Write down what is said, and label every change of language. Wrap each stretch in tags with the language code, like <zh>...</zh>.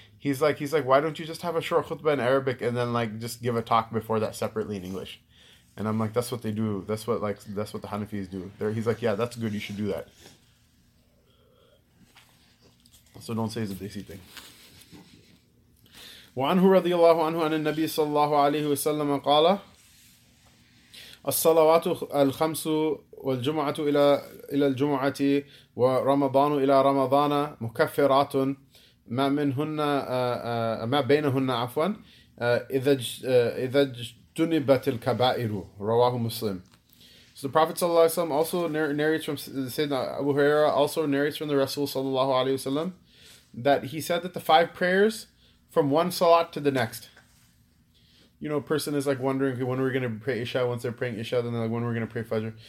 <en>He's like, why don't you just have a short khutbah in Arabic and then like just give a talk before that separately in English? And I'm like, that's what they do. That's what the Hanafis do. He's like, yeah, that's good. You should do that. So don't say it's a desi thing.</en> <ar>وعنه رضي الله عنه عن النبي صلى الله عليه وسلم قال الصلوات الخمس والجمعة إلى الجمعة ورمضان إلى رمضان مكفرات ما منهن ما بينهن عفوا إذا اجتنبت الكبائر رواه مسلم.</ar> <en>So the Prophet</en> <ar>صلى الله عليه وسلم</ar> <en>also narrates from Sayyidina Abu Huraira, also narrates from the Rasul صلى الله عليه وسلم, that he said that the five prayers from one salat to the next. You know, a person is like wondering, okay, when are we going to pray Isha? Once they're praying Isha, then they're like, when are we going to pray Fajr?</en>